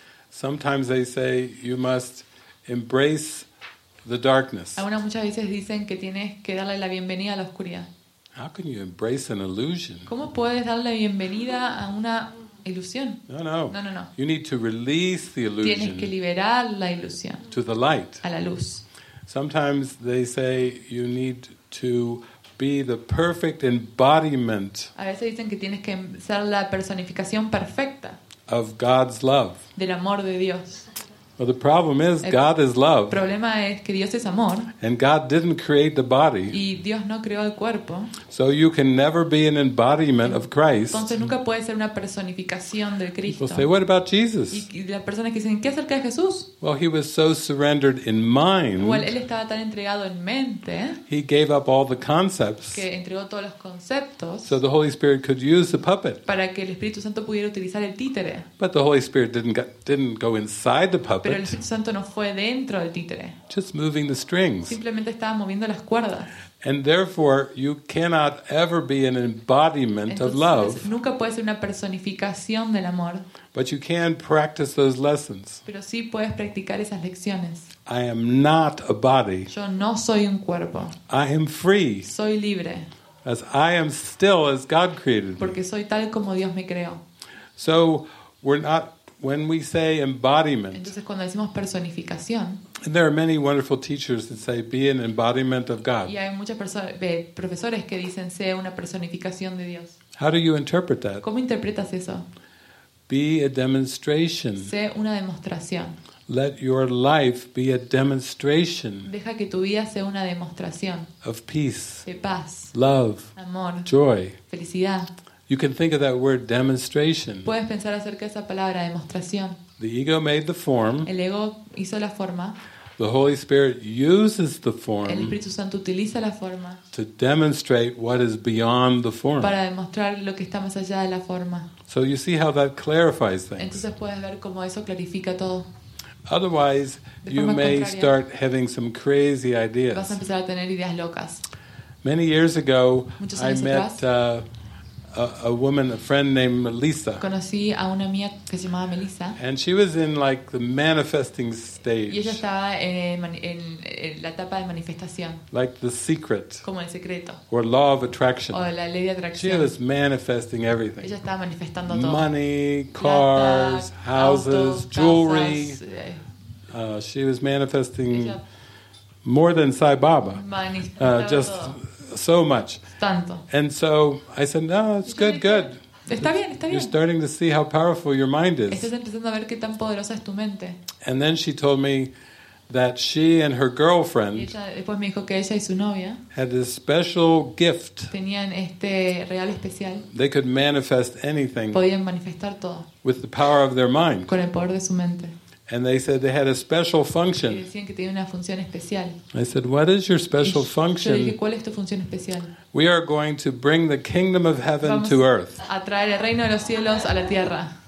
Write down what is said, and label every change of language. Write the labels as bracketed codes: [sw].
[en] Sometimes they say you must embrace the darkness. [es] Algunas muchas veces dicen que tienes que darle la bienvenida a la oscuridad. [en] How can you embrace an illusion? [es] ¿Cómo puedes darle la bienvenida a una ilusión? [en] No. You need to release the illusion. [es] Tienes que liberar la ilusión. [en] To the light. [es] A la luz. [en] Sometimes they say you need to be the perfect embodiment. [es] A veces dicen que tienes que ser la personificación perfecta. [en] Of God's love. [es] Del amor de Dios. [en] Well, the problem is God is love. [es] El problema es que Dios es amor. [en] And God didn't create the body. [es] Y Dios no creó el cuerpo. [en] So you can never be an embodiment of Christ. [es] Entonces nunca puedes ser una personificación del Cristo. [en] People say, what about Jesus? [es] Y las personas que dicen, ¿qué acerca de Jesús? [en] Well, he was so surrendered in mind. [es] Bueno, él estaba tan entregado en mente. [en] He gave up all the concepts. [es] Que entregó todos los conceptos. [en] So the Holy Spirit could use the puppet. [es] Para que el Espíritu Santo pudiera utilizar el títere. [en] But the Holy Spirit didn't go inside the puppet. [es] Pero el Espíritu Santo no fue dentro del títere. [en] Just moving the strings. [es] Simplemente estaba moviendo las cuerdas. [en] And therefore, you cannot ever be an embodiment of love. [es] Nunca puedes ser una personificación del amor. [en] But you can practice those lessons. [es] Pero sí puedes practicar esas lecciones. [en] I am not a body. [es] Yo no soy un cuerpo. [en] I am free. [es] Soy libre. [en] As I am still as God created me. [es] Porque soy tal como Dios me creó. [en] So, we're not. When we say embodiment, [es] entonces cuando decimos personificación, [en] and there are many wonderful teachers that say be an embodiment of God. [es] Y hay muchas profesores que dicen sea una personificación de Dios. [en] How do you interpret that? [es] ¿Cómo interpretas eso? [en] Be a demonstration. [es] Sé una demostración. [en] Let your life be a demonstration. [es] Deja que tu vida sea una demostración. [en] Of peace. [es] De paz. [en] Love. [es] Amor. [en] Joy. [es] Felicidad. [en] You can think of that word demonstration. [es] Puedes pensar acerca de esa palabra demostración. [en] The ego made the form. [es] El ego hizo la forma. [en] The Holy Spirit uses the form. [es] El Espíritu Santo utiliza la forma. [en] To demonstrate what is beyond the form. [es] Para demostrar lo que está más allá de la forma. [en] So you see how that clarifies things. [es] Entonces puedes ver cómo eso clarifica todo. [en] Otherwise, you may start having some crazy ideas. [es] Vas a empezar a tener ideas locas. [en] Many years ago, I met a woman, a friend named Melissa. [es] Conocí a una amiga que se llamaba Melissa. [en] And she was in like the manifesting stage. [es] Y ella estaba en la etapa de manifestación. [en] Like the secret. [es] Como el secreto. [en] Or law of attraction. [es] O la ley de atracción. [en] She was manifesting everything. [es] Ella estaba manifestando todo. [en] Money, cars, [es] plata, [en] houses, [es] autos, [en] jewelry. [es] Casas. [en] She was manifesting more than Sai Baba. Just so much. [es] Tanto. [en] And so I said, no, it's good, [es] dije, [en] good. [es] Está bien. [en] You're starting to see how powerful your mind is. [es] Estás empezando a ver qué tan poderosa es tu mente. [en] And then she told me that she and her girlfriend [es] y ella, después me dijo que ella y su novia [en] had this special gift. [es] Tenían este regalo especial. [en] They could manifest anything. [es] Podían manifestar todo. [en] With the power of their mind. [es] Con el poder de su mente. [en] And they said they had a special function. [es] Decían que tenía una función especial. [en] I said, "What is your special function?" [es] Yo dije, ¿cuál es tu función especial? [en] We are going to bring the kingdom of heaven [es] Vamos [en] to earth. [es] A traer el reino de los cielos a la tierra.